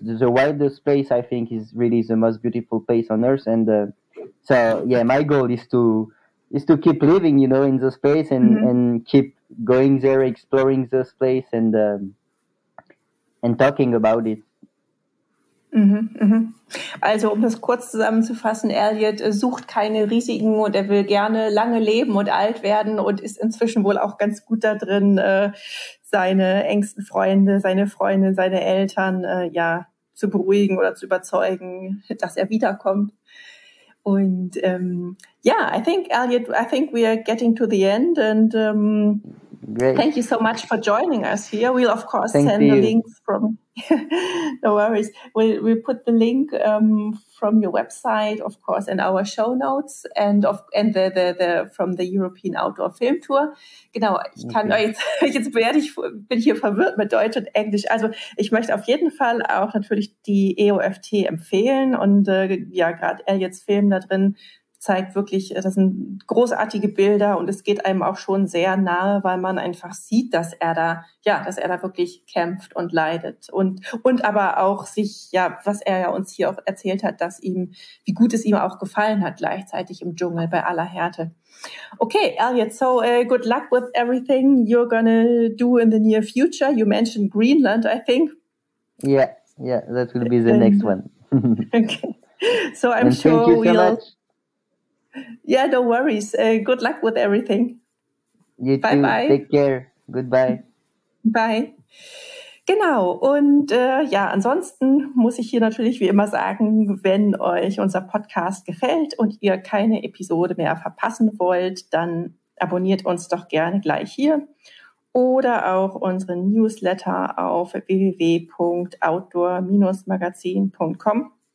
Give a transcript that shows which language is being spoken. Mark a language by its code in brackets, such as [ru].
[en] The wildest place, I think, is really the most beautiful place on earth. And my goal is to keep living, you know, in those place and keep going there, exploring those place and talking about it. [de] Also, um das kurz zusammenzufassen, Elliot sucht keine Risiken und er will gerne lange leben und alt werden und ist inzwischen wohl auch ganz gut da drin, seine engsten Freunde, seine Freundin, seine Eltern zu beruhigen oder zu überzeugen, dass er wiederkommt. [en] Und I think, Elliot, we are getting to the end, and great. Thank you so much for joining us here. We'll, of course, thank send you. The links from... No worries. We'll put the link from your website, of course, in our show notes and from the European Outdoor Film Tour. [de] Genau, ich kann okay. bin hier verwirrt mit Deutsch und Englisch. Also ich möchte auf jeden Fall auch natürlich die EOFT empfehlen und gerade Elliots Film da drin zeigt wirklich, das sind großartige Bilder und es geht einem auch schon sehr nahe, weil man einfach sieht, dass er da wirklich kämpft und leidet und aber auch sich, ja, was er ja uns hier auch erzählt hat, dass ihm, wie gut es ihm auch gefallen hat, gleichzeitig im Dschungel bei aller Härte. [en] Okay, Elliot, so good luck with everything you're gonna do in the near future. You mentioned Greenland, I think. Yeah, that will be the next one. Okay, so I'm sure thank you so we'll... Much. Yeah, no worries. Good luck with everything. You too. Bye-bye. Take care. Goodbye. Bye. Genau. [de] Und ansonsten muss ich hier natürlich wie immer sagen, wenn euch unser Podcast gefällt und ihr keine Episode mehr verpassen wollt, dann abonniert uns doch gerne gleich hier oder auch unseren Newsletter auf www.outdoor-magazin.com.